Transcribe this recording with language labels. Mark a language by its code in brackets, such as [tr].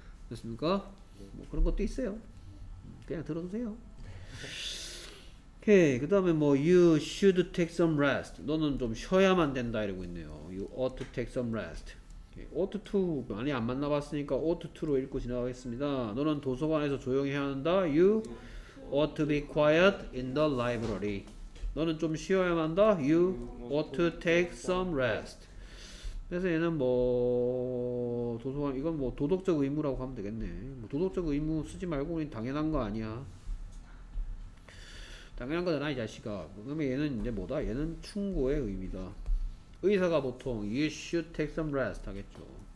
[ko] 됐습니까? 네. 뭐 그런 것도 있어요. 그냥 들어주세요. 오케이. 그 다음에 뭐 [en] you should take some rest. [ko] 너는 좀 쉬어야만 된다 이러고 있네요. [en] you ought to take some rest. ought to [ko] 많이 안 만나봤으니까 [en] ought to로 [ko] 읽고 지나가겠습니다. 너는 도서관에서 조용히 해야 한다. [en] you ought to be quiet in the library. [ko] 너는 좀 쉬어야만 한다. [en] you ought to take some rest. [ko] 그래서 얘는 뭐 도서관 이건 뭐 도덕적 의무라고 하면 되겠네. 뭐 도덕적 의무 쓰지 말고 당연한 거 아니야. 당연한 거잖아 이 자식아. 그러면 얘는 이제 뭐다? 얘는 충고의 의미다. 의사가 보통 [en] you should take some rest [ko] 하겠죠.